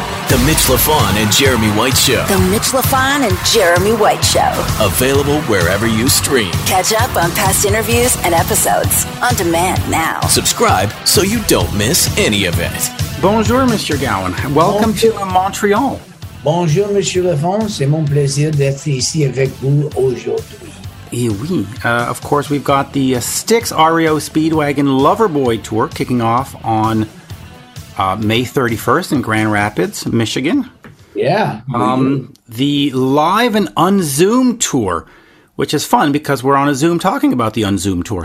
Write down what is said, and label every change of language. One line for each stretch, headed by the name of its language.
English: The Mitch LaFon and Jeremy White Show. The Mitch LaFon and Jeremy White Show. Available wherever you stream. Catch up on past interviews and episodes on demand now. Subscribe so you don't miss any of it. Bonjour, Mr. Gowan. Welcome to Montreal.
French: Bonjour, Monsieur Lafon. C'est mon plaisir d'être ici avec vous aujourd'hui. Eh oui.
English: Of course, we've got the Styx REO Speedwagon Loverboy Tour kicking off on May 31st in Grand Rapids, Michigan. Yeah. The live and unzoomed tour, which is fun because we're on a Zoom talking about the unzoomed tour.